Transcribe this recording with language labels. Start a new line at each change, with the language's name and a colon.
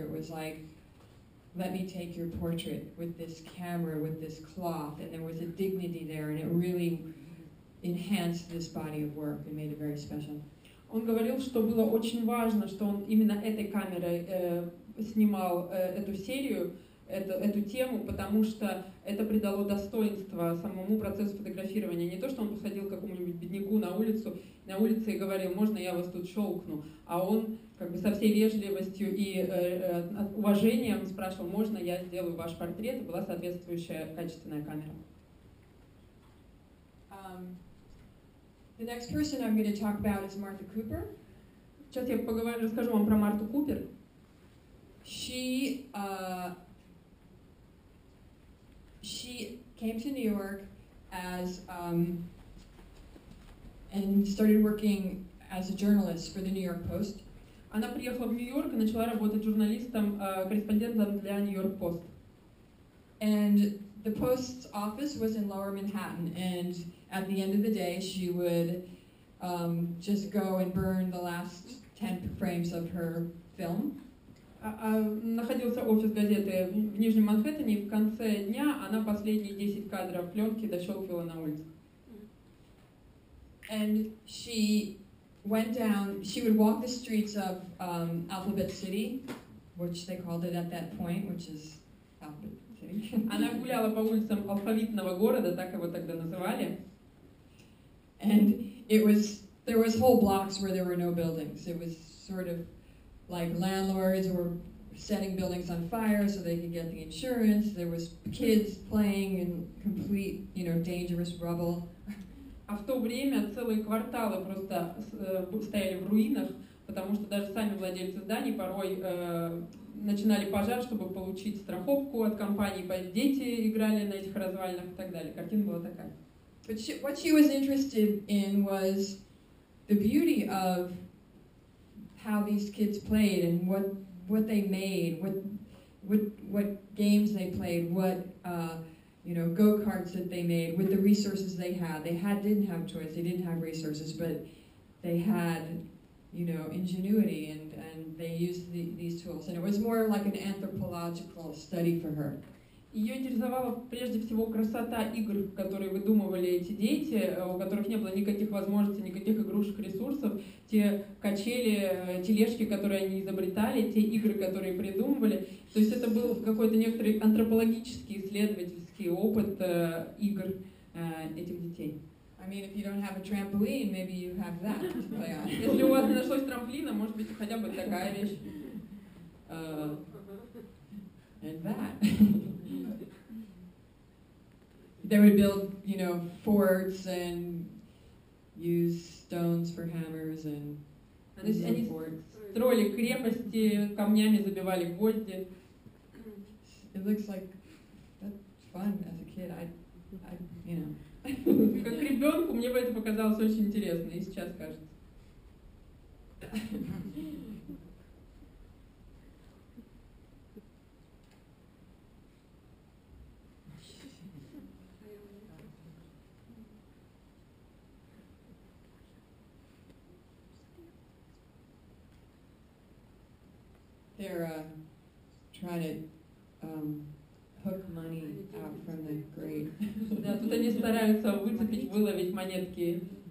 English: It was like, let me take your portrait with this camera, with this cloth, and there was a dignity there, and it really enhanced this body of work and made it very special.
Russian: Он говорил, что было очень важно, что он именно этой камерой снимал эту серию, эту тему, потому что это придало достоинство самому процессу фотографирования. Не то, что он походил к какому-нибудь бедняку на улице и говорил, можно я вас тут щелкну, а он как бы со всей вежливостью и уважением спрашивал, можно я сделаю ваш портрет, и была соответствующая качественная камера.
English: The next person I'm going to talk about is Martha Cooper.
Russian: Сейчас я расскажу вам про Марту Купер.
English: She came to New York as and started working as a journalist for the New York Post.
Russian: Она приехала в Нью-Йорк и начала работать журналистом, корреспондентом для New York Post.
English: And the Post's office was in Lower Manhattan, and at the end of the day, she would just go and burn the last 10 frames of her film.
Russian: Находился офис газеты в Нижнем Манхэттене, и в конце дня она последние 10 кадров пленки дощелкивала на улице.
English: And she went down, she would walk the streets of Alphabet City, which they called it at that point, which is Alphabet City.
Russian: Она гуляла по улицам алфавитного города, так его тогда называли.
English: And there was whole blocks where there were no buildings. It was sort of like landlords were setting buildings on fire so they could get the insurance. There was kids playing in complete, you know, dangerous rubble.
Russian: А в то время целые кварталы просто стояли в руинах, потому что даже сами владельцы зданий порой начинали пожар, чтобы получить страховку от компании. Дети играли на этих развалинах и так далее. Картина была такая.
English: But what she was interested in was the beauty of how these kids played and what they made, what games they played, what you know, go-karts that they made with the resources they had. They had didn't have choice, they didn't have resources, but they had, you know, ingenuity and they used these tools. And it was more like an anthropological study for her.
Russian: Ее интересовала прежде всего красота игр, которые выдумывали эти дети, у которых не было никаких возможностей, никаких игрушек, ресурсов. Те качели, тележки, которые они изобретали, те игры, которые придумывали. То есть это был какой-то некоторый антропологический, исследовательский опыт игр этих детей.
English: I mean, if you don't have a trampoline, maybe you have that. But, yeah.
Russian: Если у вас не нашлось трамплина, может быть, хотя бы такая вещь.
English: And that. They would build, you know, forts and use stones for hammers and
Russian: Они строили крепости, камнями забивали гвозди.
English: It looks like that's fun as a kid. I you know.
Russian: Как ребенку мне бы это показалось очень интересно, и сейчас кажется.
English: They're trying to hook money out from the grate.
Russian: Да, тут они стараются выцепить, выловить монетки.